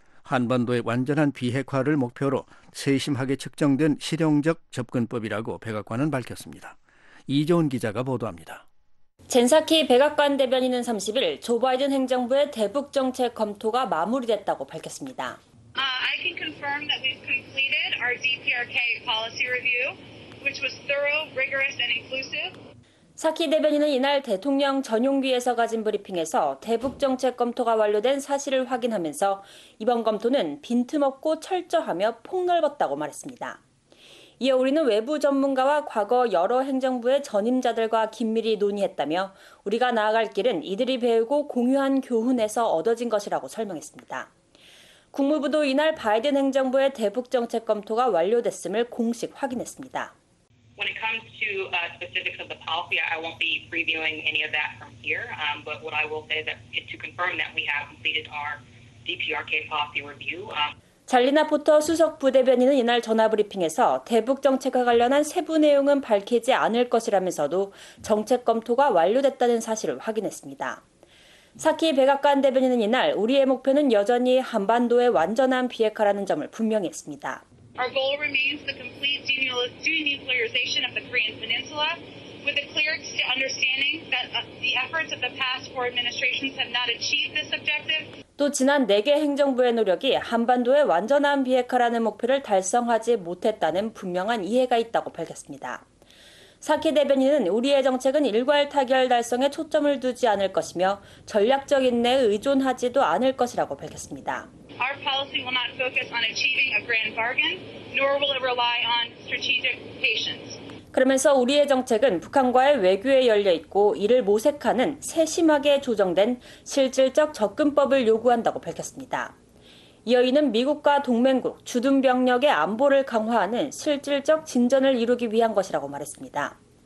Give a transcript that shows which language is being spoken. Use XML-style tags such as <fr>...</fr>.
<ko>한반도의 완전한 비핵화를 목표로 세심하게 측정된 실용적 접근법이라고 백악관은 밝혔습니다. 이재훈 기자가 보도합니다. 젠사키 백악관 대변인은 30일 조 바이든 행정부의 대북정책 검토가 마무리됐다고 밝혔습니다.</ko> <en>I can confirm that we've completed our DPRK policy review, which was thorough, rigorous, and inclusive.</en> <ko>사키 대변인은 이날 대통령 전용기에서 가진 브리핑에서 대북 정책 검토가 완료된 사실을 확인하면서 이번 검토는 빈틈없고 철저하며 폭넓었다고 말했습니다. 이어 우리는 외부 전문가와 과거 여러 행정부의 전임자들과 긴밀히 논의했다며 우리가 나아갈 길은 이들이 배우고 공유한 교훈에서 얻어진 것이라고 설명했습니다. 국무부도 이날 바이든 행정부의 대북 정책 검토가 완료됐음을 공식 확인했습니다.</ko> <en>When it comes to specifics of the policy, I won't be reviewing any of that from here. But what I will say is to confirm that we have completed our DPRK policy review.</en> <ko>잘리나 포터 수석 부대변인은 이날 전화 브리핑에서 대북 정책과 관련한 세부 내용은 밝히지 않을 것이라면서도 정책 검토가 완료됐다는 사실을 확인했습니다. 사키 백악관 대변인은 이날 우리의 목표는 여전히 한반도의 완전한 비핵화라는 점을 분명히 했습니다.</ko> <en>Our goal remains the complete denuclearization of the Korean Peninsula with a clear understanding that the efforts of the past four administrations have not achieved this objective.</en> <ko>또 지난 4개 행정부의 노력이 한반도의 완전한 비핵화라는 목표를 달성하지 못했다는 분명한 이해가 있다고 밝혔습니다. 사키 대변인은 우리의 정책은 일괄 타결 달성에 초점을 두지 않을 것이며 전략적 인내에 의존하지도 않을 것이라고 밝혔습니다.</ko> <en>Our policy will not focus on achieving a grand bargain, nor will it rely on strategic patience.</en> <ko>그러면서 우리의 정책은 북한과의 외교에 열려 있고 이를 모색하는 세심하게 조정된 실질적 접근법을 요구한다고 밝혔습니다. 이어이는 미국과 동맹국, 주둔병력의 안보를 강화하는 실질적 진전을 이루기 위한 것이라고 말했습니다.</ko>